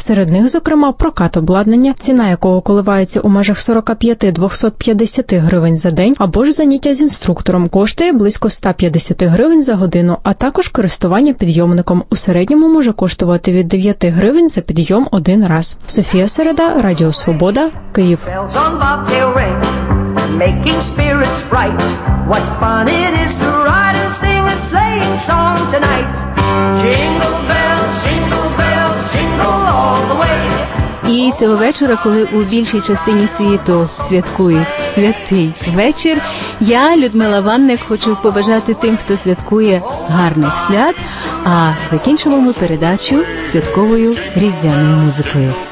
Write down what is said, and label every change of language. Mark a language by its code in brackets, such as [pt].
[uk] Серед них, зокрема, прокат обладнання, ціна якого коливається у межах 45-250 гривень за день, або ж заняття з інструктором коштує близько 150 гривень за годину, а також користування підйомником у середньому може коштувати від 9 гривень за підйом один раз. Софія Середа, Радіо Свобода, Київ. [en] Bells on bobtail ring, making spirits bright. What fun it is to ride and sing a sleighing song tonight. Jingle bells, jingle bells, jingle all the way. [uk] І цього вечора, коли у більшій частині світу святкують святий вечір, Я, Людмила Ванник, хочу побажати тим, хто святкує, гарних свят, а закінчимо ми передачу святковою різдвяною музикою.